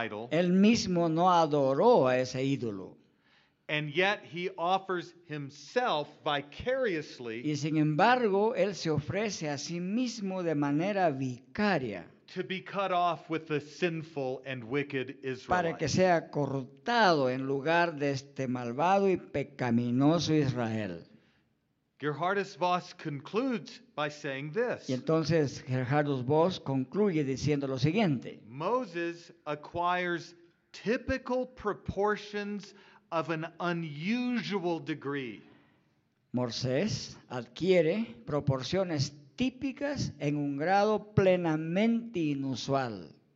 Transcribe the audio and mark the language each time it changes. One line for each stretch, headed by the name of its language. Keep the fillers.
Spanish: Él mismo no adoró a ese ídolo.
English: And yet he offers himself vicariously.
Spanish: Y sin embargo, él se ofrece a sí mismo de manera vicaria.
English: To be cut off with the sinful and wicked Israelite.
Spanish: Para que sea cortado en lugar de este malvado y pecaminoso Israel.
English: Gerhardus Voss concludes by saying this.
Spanish: Y entonces Gerhardus Voss concluye diciendo lo siguiente.
English: Moses acquires typical proportions of an unusual degree.
Spanish: Morsés adquiere proporciones típicas en un grado plenamente inusual.